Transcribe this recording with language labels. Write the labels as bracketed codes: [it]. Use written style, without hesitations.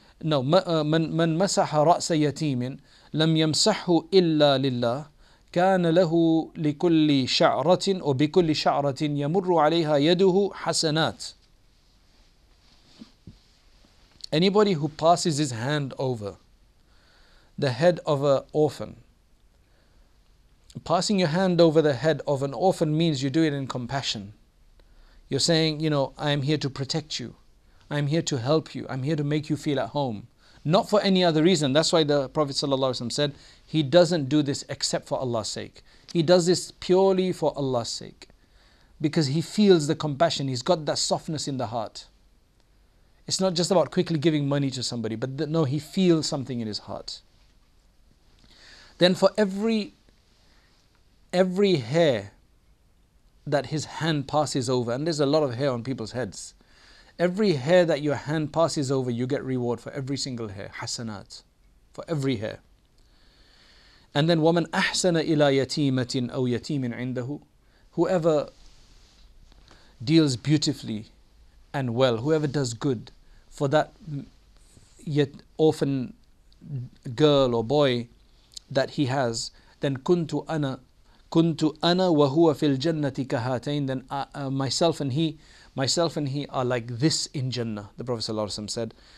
[ar] No, من مسح رأس يتيم لم يمسحه إلا لله كان له لكل شعرة أو بكل شعرة يمر عليها يده حسنات. [en] Anybody who passes his hand over the head of an orphan, passing your hand over the head of an orphan means you do it in compassion. You're saying, you know, I am here to protect you. I'm here to help you. I'm here to make you feel at home. Not for any other reason. That's why the Prophet ﷺ said, he doesn't do this except for Allah's sake. He does this purely for Allah's sake. Because he feels the compassion. He's got that softness in the heart. It's not just about quickly giving money to somebody, but no, he feels something in his heart. Then for every hair that his hand passes over, and there's a lot of hair on people's heads, every hair that your hand passes over, you get reward for every single hair, hasanat, for every hair. And then, [ar] وَمَنْ أَحْسَنَ إِلَىٰ يَتِيمَةٍ أَوْ يَتِيمٍ عِنْدَهُ, [en] whoever deals beautifully and well, whoever does good for that yet orphan girl or boy that he has, then [ar] kuntu ana wa huwa fil jannati kahatain, [en] then myself and he are like this in Jannah, the Prophet sallallahu alaihi wasallam said.